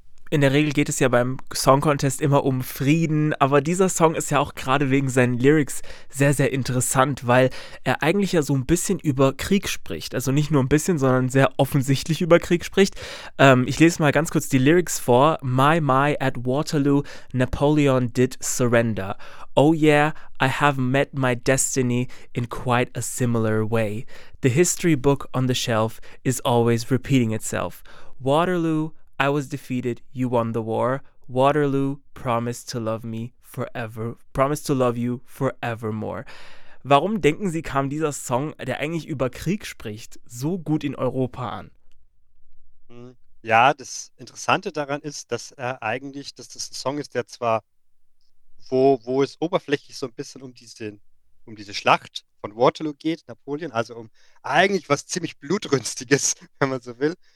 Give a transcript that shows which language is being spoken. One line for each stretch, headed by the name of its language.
German: In der Regel geht es ja beim Song Contest immer um Frieden, aber dieser Song ist ja auch gerade wegen seinen Lyrics sehr, sehr interessant, weil er eigentlich ja so ein bisschen über Krieg spricht. Also nicht nur ein bisschen, sondern sehr offensichtlich über Krieg spricht. Ich lese mal ganz kurz die Lyrics vor.
English: My, my, at Waterloo, Napoleon did surrender. Oh yeah, I have met my destiny in quite a similar way. The history book on the shelf is always repeating itself. Waterloo, I was defeated, you won the war. Waterloo promised to love me forever, promised to love you forevermore.
German: Warum denken Sie, kam dieser Song, der eigentlich über Krieg spricht, so gut in Europa an? Ja, das Interessante daran ist, dass er eigentlich, dass das ein Song ist, der zwar, wo es oberflächlich so ein bisschen um diese Schlacht von Waterloo geht, Napoleon, also um eigentlich was ziemlich Blutrünstiges, wenn man so will.